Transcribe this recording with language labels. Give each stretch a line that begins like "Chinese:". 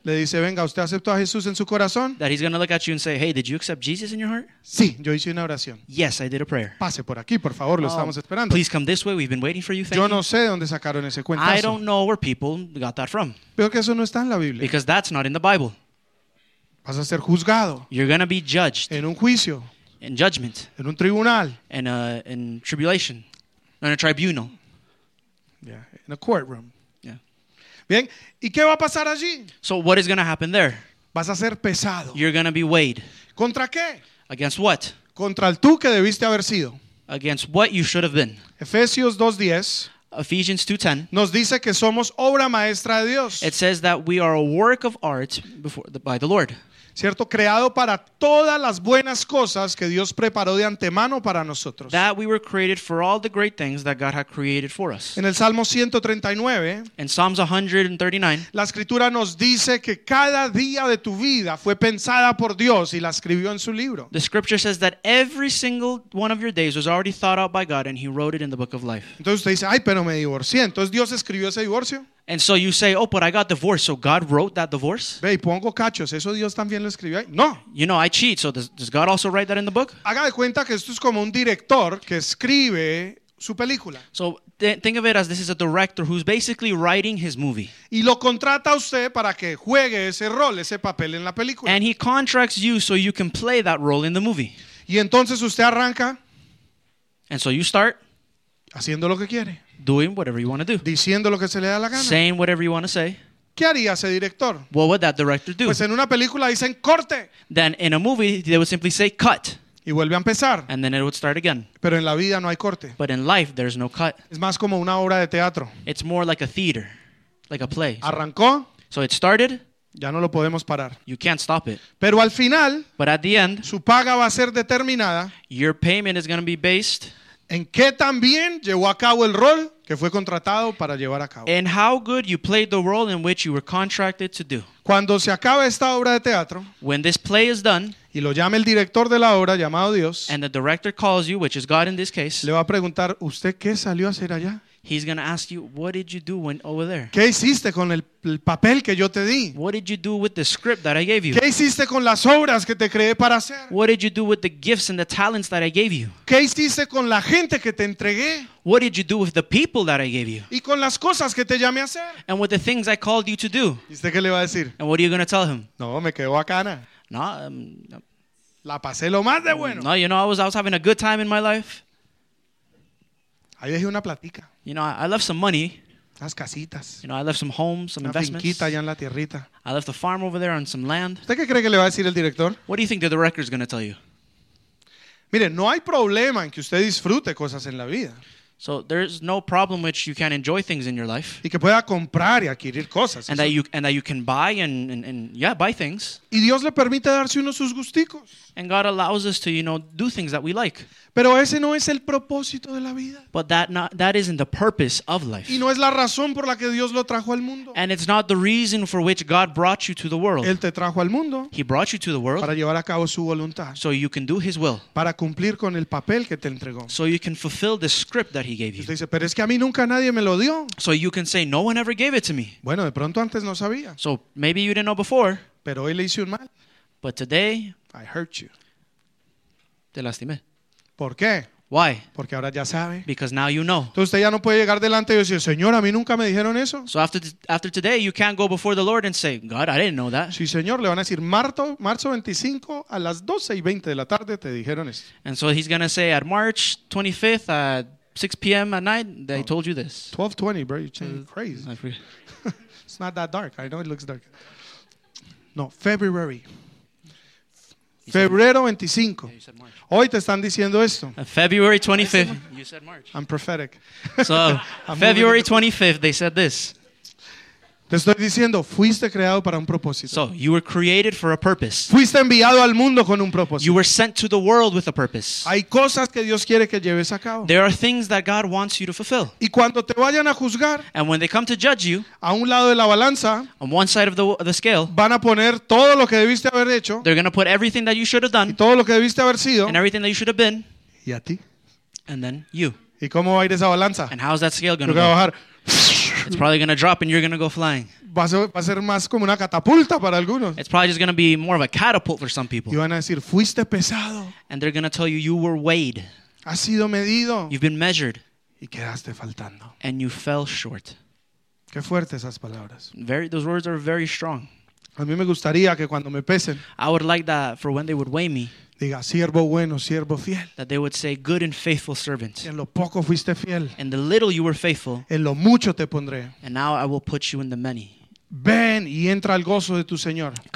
Spanish: Le dice, venga, usted aceptó a Jesús en su corazón.
English: That he's going to look at you and say, hey, did you accept Jesus in your heart?
Spanish: Sí, yo hice una oración.
English: Yes, I did a prayer.
Spanish: Pase por aquí, por favor, lo estamos esperando.
English: Please come this way, we've been waiting for you.
Spanish: Yo no sé dónde sacaron ese cuentazo.
English: I don't know where people got that from.
Spanish: Pero que eso no está en la Biblia.
English: Because that's not in the Bible.
Spanish: Vas a ser juzgado.
English: You're going to be judged.
Spanish: En un juicio.
English: In judgment.
Spanish: En un tribunal.
English: In tribulation. In a tribunal. Yeah, in a courtroom. Yeah.
Spanish: Bien. ¿Y qué va a pasar allí?
English: So what is going to happen there?
Spanish: Vas a ser pesado.
English: You're going to be weighed.
Spanish: ¿Contra qué?
English: Against what?
Spanish: Contra el tú que debiste haber sido.
English: Against what you should have been.
Spanish: Efesios 2:10.
English: Ephesians 2:10.
Spanish: Nos dice que somos obra maestra de Dios.
English: It says that we are a work of art by the Lord.
Spanish: Cierto, creado para todas las buenas cosas que Dios preparó de antemano para nosotros.
English: That we were created for all the great things that God had created for us.
Spanish: En el Salmo 139.
English: In Psalms 139.
Spanish: La escritura nos dice que cada día de tu vida fue pensada por Dios y la escribió en su libro.
English: The scripture says that every single one of your days was already thought out by God and he wrote it in the book of life.
Spanish: Entonces usted dice, ay, pero me divorcié. Entonces Dios escribió ese divorcio.
English: And so you say, oh, but I got divorced, so God wrote that divorce?
Spanish: Ve, pongo cachos. ¿Eso Dios también lo escribió ahí? No.
English: You know, I cheat, so does God also write that in the book?
Spanish: Haga de cuenta que esto es como un director que escribe su película.
English: So think of it as this is a director who's basically writing his movie.
Spanish: Y lo contrata a usted para que juegue ese rol, ese papel en la película.
English: And he contracts you so you can play that role in the movie.
Spanish: Y entonces usted arranca.
English: And so you start.
Spanish: Haciendo lo que quiere.
English: Doing whatever you want to do.
Spanish: Diciendo lo que se le da la gana.
English: Saying whatever you want to say.
Spanish: ¿Qué haría ese director?
English: What would that director do?
Spanish: Pues en una película dicen corte.
English: Then in a movie they would simply say cut.
Spanish: Y vuelve a empezar.
English: And then it would start again.
Spanish: Pero en la vida no hay corte.
English: But in life there's no cut.
Spanish: Es más como una obra de teatro.
English: It's more like a theater. Like a play.
Spanish: Arrancó.
English: So it started.
Spanish: Ya no lo podemos parar.
English: You can't stop it.
Spanish: Pero al final.
English: But at the end.
Spanish: Su paga va a ser determinada.
English: Your payment is going to be based.
Spanish: ¿En qué también llevó a cabo el rol que fue contratado para llevar a cabo?
English: And how good you played the role in which you were contracted to do.
Spanish: Cuando se acaba esta obra de teatro,
English: when this play is done,
Spanish: y lo llama el director de la obra llamado Dios,
English: and the director calls you, which is God in this case,
Spanish: le va a preguntar, ¿usted qué salió a hacer allá?
English: He's going to ask you, what did you do when over there?
Spanish: ¿Qué hiciste con el papel que yo te di?
English: What did you do with the script that I gave you?
Spanish: ¿Qué hiciste con las obras que te creé para hacer?
English: What did you do with the gifts and the talents that I gave you?
Spanish: ¿Qué hiciste con la gente que te entregué?
English: What did you do with the people that I gave you?
Spanish: ¿Y con las cosas que te llamé a hacer?
English: And with the things I called you to do.
Spanish: ¿Y usted qué le va a decir?
English: And what are you going to tell him?
Spanish: No, me quedó bacana.
English: No,
Spanish: la pasé lo más de bueno.
English: No, you know, I was having a good time in my life.
Spanish: Ahí dejé una platica.
English: You know, I left some money.
Spanish: Las casitas.
English: You know, I left some homes, some
Spanish: una
English: investments.
Spanish: Finquita allá en la tierrita.
English: I left a farm over there on some land.
Spanish: ¿Usted qué cree que le va a decir el director?
English: What do you think the director is going to tell you?
Spanish: Mire, no hay problema en que usted disfrute cosas en la vida.
English: So there's no problem which you can't enjoy things in your life.
Spanish: Y que pueda comprar y adquirir cosas.
English: And that you can buy and buy things.
Spanish: Y Dios le permite darse uno sus gusticos.
English: And God allows us to, you know, do things that we like.
Spanish: Pero ese no es el propósito de la vida.
English: But that isn't the purpose of life.
Spanish: Y no es la razón por la que Dios lo trajo al mundo.
English: And it's not the reason for which God brought you to the world.
Spanish: Él te trajo al mundo.
English: He brought you to the world.
Spanish: Para llevar a cabo su voluntad.
English: So you can do his will.
Spanish: Para cumplir con el papel que te entregó.
English: So you can fulfill the script that that he gave you.
Spanish: Usted dice, pero es que a mí nunca nadie me lo dio.
English: So you can say, no one ever gave it to me.
Spanish: Bueno, de pronto antes no sabía.
English: So maybe you didn't know before.
Spanish: Pero hoy le hice un mal.
English: But today, I hurt you.
Spanish: Te lastimé. ¿Por qué?
English: Why?
Spanish: Porque ahora ya sabe.
English: Because now you know.
Spanish: Entonces usted ya no puede llegar delante y decir, Señor, a mí nunca me dijeron eso.
English: So after today, you can't go before the Lord and say, God, I didn't know that.
Spanish: Sí, Señor, le van a decir, marzo 25, a las 12:20 de la tarde, te dijeron eso.
English: And so he's going to say, at March 25th, at 6 p.m. at night, they told you this. 12:20, bro, you're crazy. It's not that dark. I know it looks dark. No, February.
Spanish: Febrero 25. Hoy te están diciendo esto.
English: February 25th. You said March. I'm prophetic. So, February 25th, they said this.
Spanish: Te estoy diciendo, fuiste creado para un propósito.
English: So, you were created for a purpose.
Spanish: Fuiste enviado al mundo con un propósito.
English: You were sent to the world with a purpose.
Spanish: Hay cosas que Dios quiere que lleves a cabo.
English: There are things that God wants you to fulfill.
Spanish: Y cuando te vayan a juzgar,
English: and when they come to judge you,
Spanish: a un lado de la balanza,
English: on one side of the scale,
Spanish: van a poner todo lo que debiste haber hecho,
English: they're going to put everything that you should have done,
Spanish: y todo lo que debiste haber sido,
English: and everything that you should have been,
Spanish: y a ti.
English: And then you.
Spanish: ¿Y cómo va a ir esa balanza?
English: And how's that scale going to go? It's probably going to drop and you're going to go flying.
Spanish: Va a ser más como una catapulta para algunos.
English: It's probably just going to be more of a catapult for some people.
Spanish: Y van a decir, fuiste pesado.
English: And they're going to tell you, you were weighed.
Spanish: Has sido medido.
English: You've been measured.
Spanish: Y quedaste faltando.
English: And you fell short.
Spanish: Qué fuerte esas palabras.
English: Those words are very strong.
Spanish: A mí me gustaría que cuando me pesen,
English: I would like that for when they would weigh me.
Spanish: Diga, siervo bueno, siervo fiel.
English: That they would say, good and faithful servant.
Spanish: En lo poco fuiste fiel.
English: In the little you were faithful.
Spanish: En lo mucho te pondré.
English: And now I will put you in the many.
Spanish: Ven y entra al gozo de tu Señor.